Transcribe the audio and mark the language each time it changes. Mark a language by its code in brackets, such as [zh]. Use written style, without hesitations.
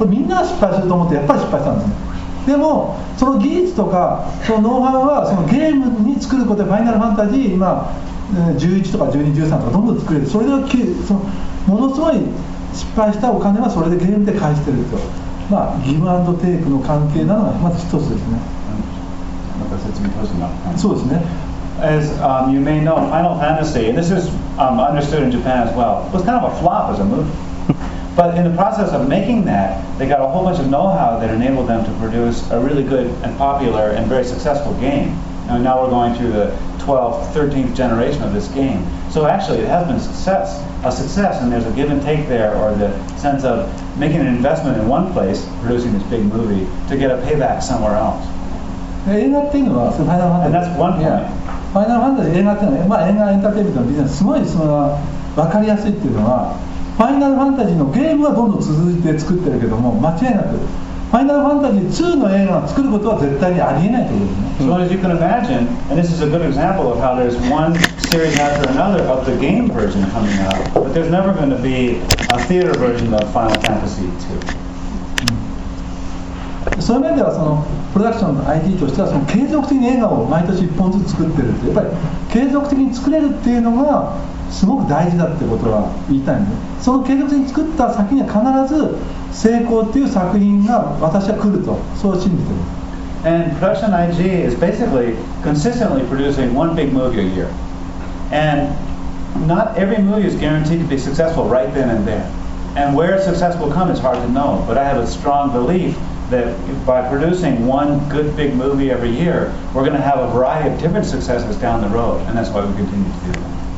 [ja] これみんなが失敗すると思ってやっぱり失敗したんですね。でもその技術とかそのノウハウはそのゲームに作ることで、ファイナルファンタジー今11とか12、13とかどんどん作れる。それでそのものすごい失敗したお金はそれでゲームで返してるとまあギブアンドテイクの関係なのがまず一つですね。また説明通すな。そうですね。 [en] As、you may know, Final Fantasy, and this is、understood in Japan as well, was kind of a flop as a movie. But in the process of making that, they got a whole bunch of know-how that enabled them to produce a really good and popular and very successful game. And now we're going through the 12th, 13th generation of this game. So actually, it has been a success, and there's a give and take there, or the sense of making an investment in one place, producing this big movie, to get a payback somewhere else. And that's one point. Final Fantasy, entertainment business, is very clear. Final Fantasy, the game is continuing to be made, but it's not true. [ja] ファイナルファンタジー2の映画を作ることは絶対にありえないということですね。 [en] So as you can imagine, and this is a good example of how there's one series after another of the game version coming out, but there's never going to be a theater version of Final Fantasy 2. [ja] そういう面ではそのプロダクションの IT としてはその継続的に映画を毎年1本ずつ作ってるって、やっぱり継続的に作れるっていうのがすごく大事だってことは言いたいんで、その継続的に作った先には必ず成功っていう作品が私は来るとそう信じてる。 [en] And Production IG is basically consistently producing one big movie a year, and not every movie is guaranteed to be successful right then and there, and where success will come is hard to know, but I have a strong belief that by producing one good big movie every year, we're going to have a variety of different successes down the road, and that's why we continue to do that.